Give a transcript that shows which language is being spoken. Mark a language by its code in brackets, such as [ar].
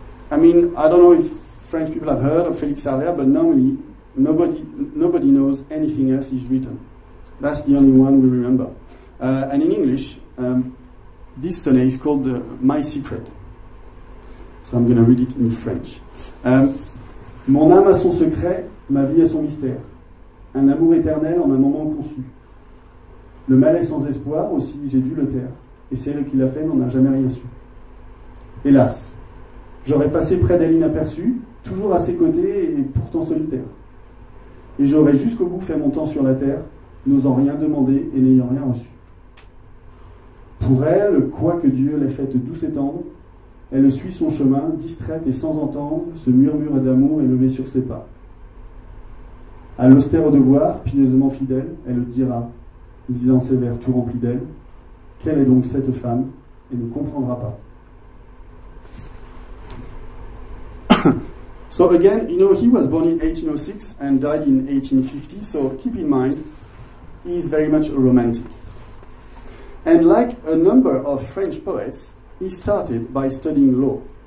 [en] I mean, I don't know if French people have heard of Félix Havère, but normally nobody knows anything else he's written. That's the only one we remember. And in English, this sonnet is called My Secret. So I'm going to read it in French. [fr] Mon âme a son secret, ma vie a son mystère. Un amour éternel en un moment conçu. Le mal est sans espoir, aussi j'ai dû le taire. Et celle qui l'a fait n'en a jamais rien su. Hélas, j'aurais passé près d'elle inaperçue, toujours à ses côtés et pourtant solitaire. Et j'aurais jusqu'au bout fait mon temps sur la terre, n'osant rien demander et n'ayant rien reçu. Pour elle, quoique Dieu l'ait faite douce et tendre, elle suit son chemin, distraite et sans entendre, ce murmure d'amour élevé sur ses pas. À l'austère devoir, pieusement fidèle, elle dira, lisant ses vers tout remplis d'elle, quelle est donc cette femme, et ne comprendra pas. [en] So again, you know, he was born in 1806 and died in 1850, so keep in mind, he is very much a romantic. And like a number of French poets, he started by studying law.